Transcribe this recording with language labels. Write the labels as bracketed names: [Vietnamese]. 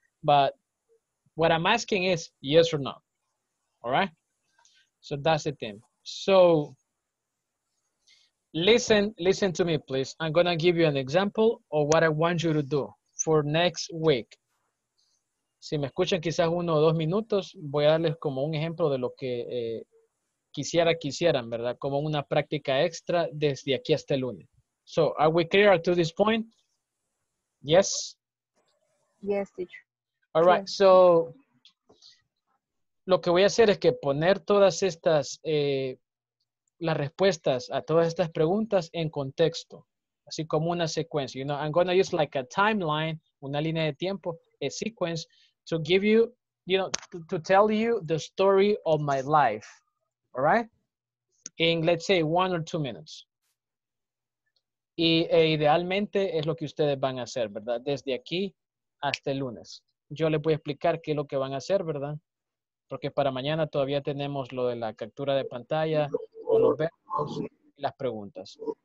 [English] But what I'm asking is yes or not. All right? So that's the thing. So listen to me, please. I'm going to give you an example of what I want you to do for next week. [Spanish] Si me escuchan quizás 1 o 2 minutos, voy a darles como un ejemplo de lo que... Quisieran, ¿verdad? Como una práctica extra desde aquí hasta el lunes. [English] So, are we clear to this point? Yes? Yes, teacher. All right, yes. So, [Spanish] lo que voy a hacer es que poner todas estas, las respuestas a todas estas preguntas en contexto, así como una secuencia. [English] You know, I'm going to use like a timeline, [Spanish] una línea de tiempo, [English] a sequence, to give you, you know, to tell you the story of my life. All right, in let's say 1 or 2 minutes. [Spanish] Y idealmente es lo que ustedes van a hacer, ¿verdad? Desde aquí hasta el lunes. Yo les voy a explicar qué es lo que van a hacer, ¿verdad? Porque para mañana todavía tenemos lo de la captura de pantalla, o los verbos y las preguntas.